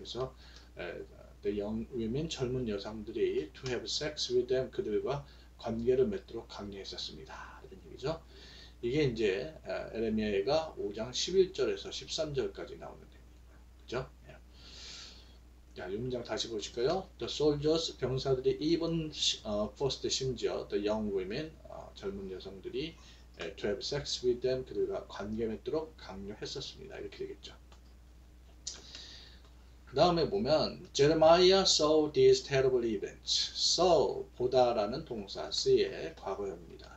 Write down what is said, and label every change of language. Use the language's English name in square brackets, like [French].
[Korean] 그래서 [English] the young women, [Korean] 젊은 여성들이 [English] to have sex with them, [Korean] 그들과 관계를 맺도록 강요했었습니다. 이런 얘기죠. 이게 이제 에레미야가 5장 11절에서 13절까지 나오는 내용입니다. 그죠? 자, 이 문장 다시 보실까요? [English] The soldiers, [Korean] 병사들이 [English] even forced [Korean] 심지어 [English] the young women, [Korean] 젊은 여성들이 [English] to have sex with them, [Korean] 그들과 관계 맺도록 강요했었습니다. 이렇게 되겠죠. 다음에 보면 [English] Jeremiah saw these terrible events. [Korean] saw 보다라는 동사 see의 과거형입니다.